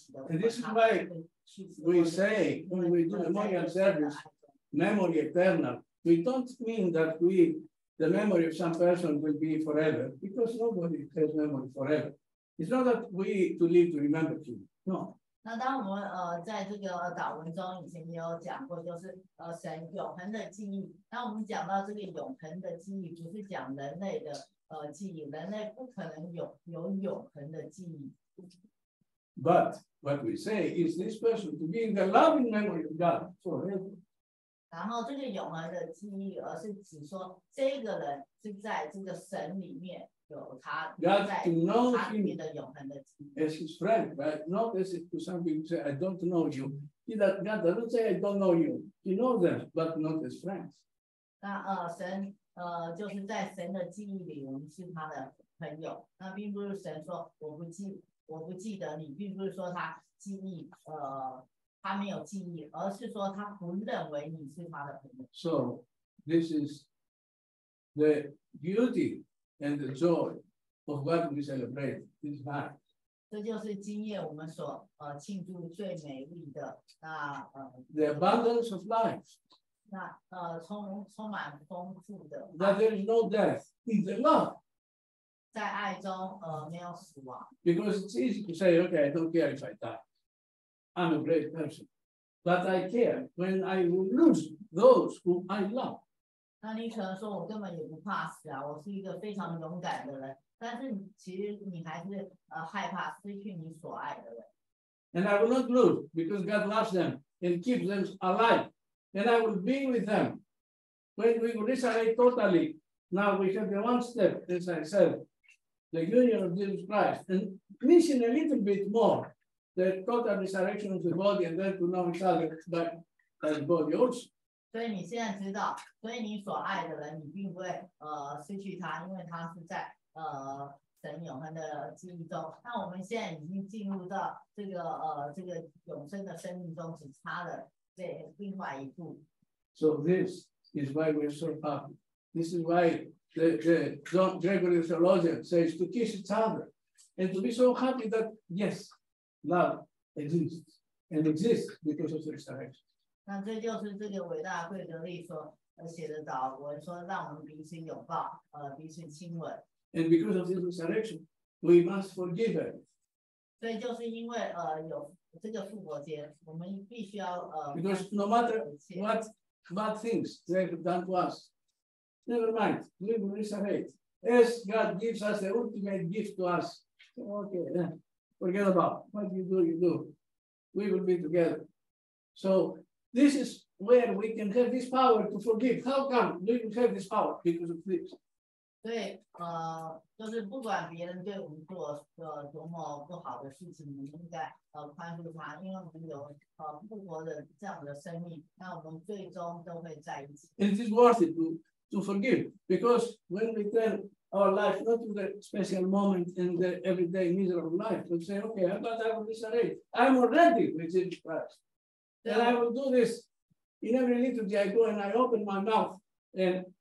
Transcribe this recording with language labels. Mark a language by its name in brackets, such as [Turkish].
[English] And this is why we say when we do memorial service, memory eternal, we don't mean that the memory of some person will be forever, because nobody has memory forever. It's not that we to live to remember you. [Chinese] 那当我们在这个祷文中以前也有讲过，就是神永恒的记忆。那我们讲到这个永恒的记忆，不是讲人类的记忆，人类不可能有永恒的记忆。 [English] But what we say is this person to be in the loving memory of God forever. [Chinese] 然后这个永恒的记忆，而是指说这个人是在这个神里面。 [English] God to know him as his friend, right? Not as if to somebody say, I don't know you. He that God doesn't say, I don't know you. He knows them, but not as friends. [Chinese] 那神就是在神的记忆里，我们是他的朋友。那并不是神说我不记得你，并不是说他记忆他没有记忆，而是说他不认为你是他的朋友。 [English] So this is the beauty. And the joy of what we celebrate is that. [Chinese] 这就是今夜我们所庆祝最美丽的那 [English] The abundance of life. [Chinese] 那充满丰富的。 [English] That there is no death in the love. [Chinese] 在爱中没有死亡。 [English] Because it's easy to say, okay, I don't care if I die. I'm a great person. But I care when I will lose those who I love. [Chinese] 那你可能说我根本也不怕死啊，我是一个非常勇敢的人，但是其实你还是害怕失去你所爱的人。 [English] And I will not lose because God loves them and keeps them alive. And I will be with them. When we resurrect totally, now we have the one step, as I said, the union of Jesus Christ. And missing a little bit more, the total resurrection of the body and then to know each other by the body also. [Chinese] 所以你现在知道，所以你所爱的人，你并不会失去他，因为他是在神永恒的记忆中。那我们现在已经进入到这个永生的生命中，只差了这另外一步。 [English] So this is why we're so happy. This is why the John Gregory theologian says to kiss each other and to be so happy that yes, love exists and exists because of the resurrection. [Chinese] 那这就是这个伟大贵格利所写的祷文，说让我们彼此拥抱，彼此亲吻。 [English] And because of this resurrection, we must forgive it. [Chinese] 所以就是因为有这个复活节，我们必须要 [English] Because no matter what bad things they have done to us, never mind, we will resurrect. As God gives us the ultimate gift to us, okay, forget about what you do, you do. We will be together. So. This is where we can have this power to forgive. How come we can have this power? Because of this. [Chinese] 对，就是不管别人对我们做的多么不好的事情，我们应该宽恕他，因为我们有复活的这样的生命，那我们最终都会在一起。 [English] It is worth it to forgive because when we turn our life not to the special moment in the everyday miserable life, we say, okay, I'm not having this already. I'm already with Jesus Christ, and I will do this in every little day I go and I open my mouth and.